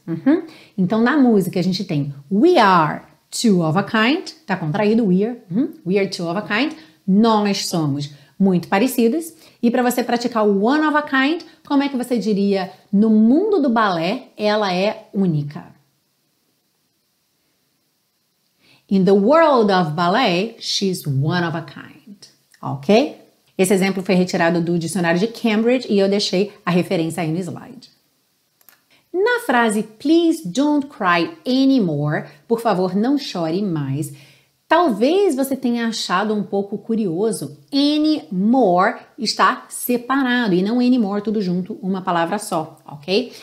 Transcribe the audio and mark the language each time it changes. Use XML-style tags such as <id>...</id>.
<pt>Uhum. Então, na música a gente tem</pt> <en>we are two of a kind,</en> <pt>tá contraído, we are two of a kind, nós somos muito parecidos. E para você praticar o one of a kind, como é que você diria no mundo do balé, ela é única?</pt> <en>In the world of ballet, she's one of a kind. Ok?</en> <pt>Esse exemplo foi retirado do dicionário de Cambridge e eu deixei a referência aí no slide. Na frase</pt> <en>please don't cry anymore,</en> <pt>por favor não chore mais, talvez você tenha achado um pouco curioso, any more está separado e não anymore tudo junto, uma palavra só, ok?</pt>